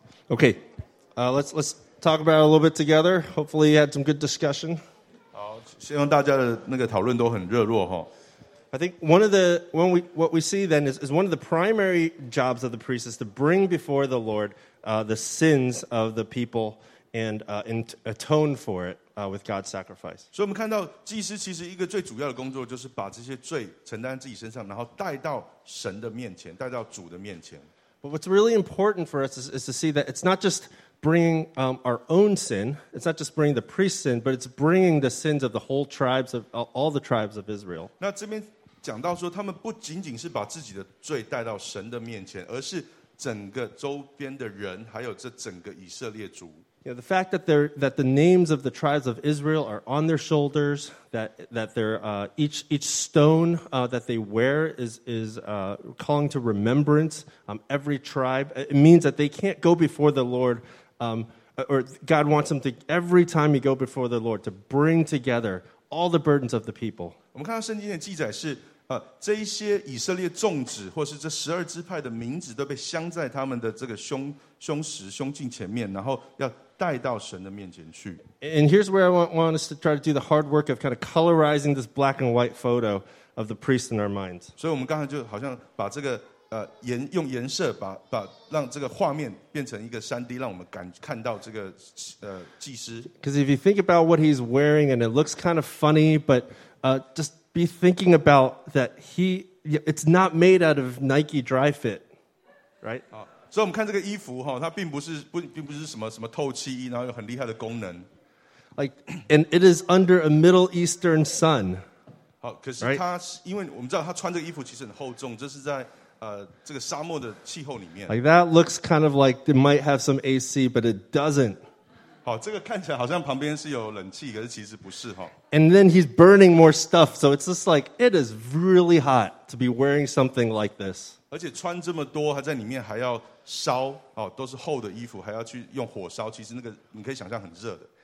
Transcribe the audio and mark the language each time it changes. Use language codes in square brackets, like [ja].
[en] Okay, let's talk about it a little bit together. Hopefully, you had some good discussion. [zh] 好，希望大家的那个讨论都很热络哈。 [en] I think one of the what we see then is one of the primary jobs of the priest is to bring before the Lord the sins of the people and atone for it with God's sacrifice. [zh] 所以我们看到祭司其实一个最主要的工作就是把这些罪承担自己身上，然后带到神的面前，带到主的面前。 [en] But what's really important for us is to see that it's not just bringing our own sin, it's not just bringing the priest's sin, but it's bringing the sins of the whole tribes, of all the tribes of Israel. [zh] 那这边讲到说，他们不仅仅是把自己的罪带到神的面前，而是整个周边的人，还有这整个以色列族。 [en] Yeah, the fact that the names of the tribes of Israel are on their shoulders, that they're each stone that they wear is calling to remembrance every tribe. It means that they can't go before the Lord, or God wants them to every time you go before the Lord to bring together all the burdens of the people. [zh] 我们看到圣经的记载是，这一些以色列众子，或是这十二支派的名字都被镶在他们的这个胸襟前面，然后要带到神的面前去。 [en] And here's where I want us to try to do the hard work of kind of colorizing this black and white photo of the priest in our minds. [zh] 所以我们刚才就好像把这个用颜色把让这个画面变成一个 3D， 让我们看到这个祭司。 [en] Because if you think about what he's wearing and it looks kind of funny, but just be thinking about that it's not made out of Nike Dry Fit, right? [zh] 所以我们看这个衣服，它并不是什么透气衣，然后有很厉害的功能。 [en] Like, and it is under a Middle Eastern sun. [zh] 好，可是它因为我们知道它穿这个衣服其实很厚重，这是在这个沙漠的气候里面。 [en] Like that looks kind of like it might have some AC, but it doesn't. [zh] 好，这个看起来好像旁边是有冷气，可是其实不是哈。 [en] And then he's burning more stuff, so it's just like it is really hot to be wearing something like this. [zh] 而且穿这么多，还在里面还要烧哦，都是厚的衣服，还要去用火烧。其实那个你可以想象很热的。